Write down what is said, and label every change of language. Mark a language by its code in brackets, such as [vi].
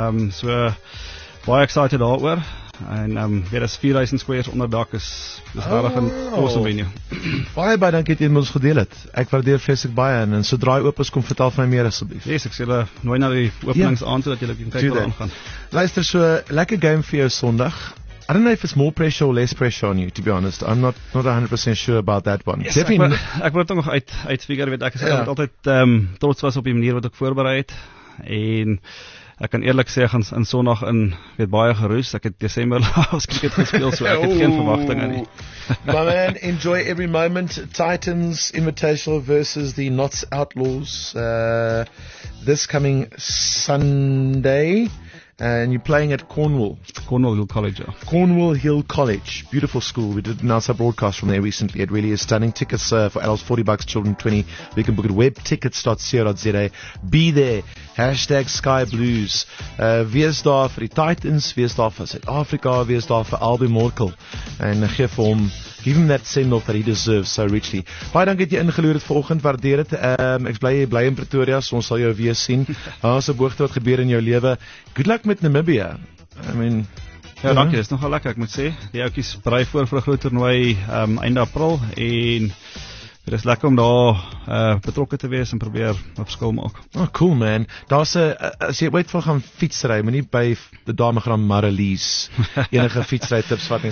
[af] So baie excited daaroor. En weer is 4000 squares onder dak is regtig 'n awesome venue. Baie baie dankie dat jy ons gedeel het. Ek waardeer vreeslik baie en sodra jy oop is kom vertel vir my meer asseblief. Yes, ek sê hulle nooi na die openingsaand sodat jy kan kyk hoe dit aangaan. Luister, so lekker game vir jou Sondag. [en] I don't know if it's more pressure or less pressure on you, to be honest. I'm not 100% sure about that one. [af] Yes, ek wil dit nog uitfigure, weet ek is yeah. altyd trots was op die manier wat ek voorberei het en ek kan eerlik sê, gaan in Sondag in, weet baie geroes, ek het December laas cricket gespeel, so ek het geen verwagtinge nie. [en] My man, enjoy every moment, Titans Invitational versus the Notts Outlaws, this coming Sunday, and you're playing at Cornwall. Cornwall Hill College, yeah. Cornwall Hill College, beautiful school, we did announce our broadcast from there recently, it really is stunning, tickets for adults, $40, children, $20, we can book at webtickets.co.za, be there. Hashtag Sky Blues. [af] Wees daar vir die Titans, wees daar vir Suid-Afrika, wees daar vir Albie Morkel. En geef hom, [en] give him that send-off that he deserves so richly. [af] Baie dankie dat jy ingeloer het vanoggend, waardeer het. Ek bly in Pretoria, so ons sal jou weer sien. Haas op hoogte wat gebeur in jou lewe. Good luck met Namibia. I mean... Ja, dankie, dit is nogal lekker, ek moet sê. Die oukies braai voor die groot toernooi einde April en... Dit is lekker om daar betrokke te wees en probeer 'n verskil maak. [en] Oh, cool man. [af] Daar's 'n as jy weet van gaan fietsry, moenie by die dame gaan Marilies enige fietsry tips vat nie.